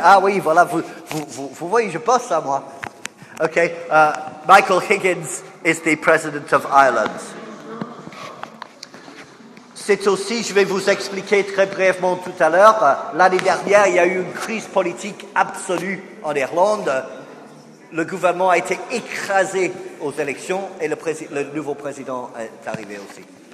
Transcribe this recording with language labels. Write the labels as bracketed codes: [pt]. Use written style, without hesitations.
[fr] Ah oui, voilà, vous voyez, je bosse à moi. [en] Okay, Michael Higgins is the president of Ireland. [fr] C'est aussi, je vais vous expliquer très brièvement tout à l'heure, l'année dernière, il y a eu une crise politique absolue en Irlande. Le gouvernement a été écrasé aux élections et le nouveau président est arrivé aussi.